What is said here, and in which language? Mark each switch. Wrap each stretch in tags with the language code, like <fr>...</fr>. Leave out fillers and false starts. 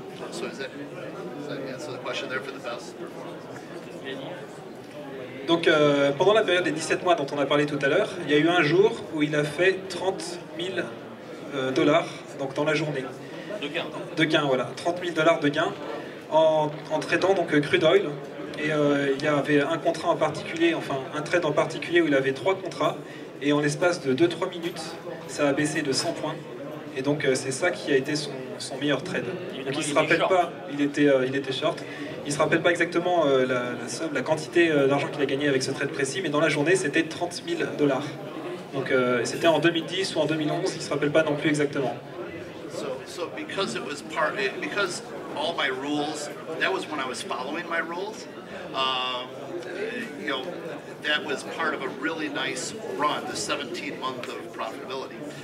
<en>Does that answer the question there for the best?</en> <fr>Donc pendant la période des 17 mois dont on a parlé tout à l'heure, il y a eu un jour où il a fait 30 000 dollars donc dans la journée. De gains. De gains, voilà. 30 000 dollars de gains en tradant donc crude oil. Et il y avait un contrat en particulier, enfin un trade en particulier où il avait trois contrats. Et en l'espace de 2-3 minutes, ça a baissé de 100 points. Et donc c'est ça qui a été son meilleur trade. Donc il ne se rappelle pas, il était short. Il ne se rappelle pas exactement la somme, la quantité d'argent qu'il a gagné avec ce trade précis, mais dans la journée, c'était 30 000 dollars. Donc c'était en 2010 ou en 2011, il ne se rappelle pas non plus exactement.</fr> <en>So because it was part, because all my rules, that was when I was following my rules, that was part of a really nice run, the 17 month of profitability.</en>